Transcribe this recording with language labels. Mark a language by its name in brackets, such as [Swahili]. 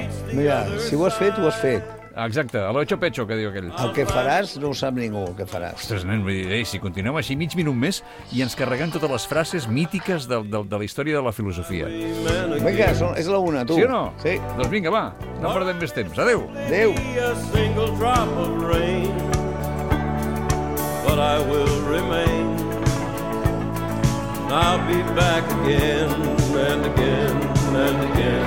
[Catalan] Mira, si ho has fet, ho has fet. Exacte, [Spanish] a lo hecho pecho, [Catalan] que diu aquell. El que faràs no ho sap ningú, el que faràs. Ostres, nen, vull dir, si continuem així mig minut més i ens carreguem totes les frases mítiques de la història de la filosofia. Vinga, és la una, tu. Sí o no? Sí. Doncs vinga, va, no perdem més temps. Adéu. Adéu. [English] But I will remain, and I'll be back again and again and again.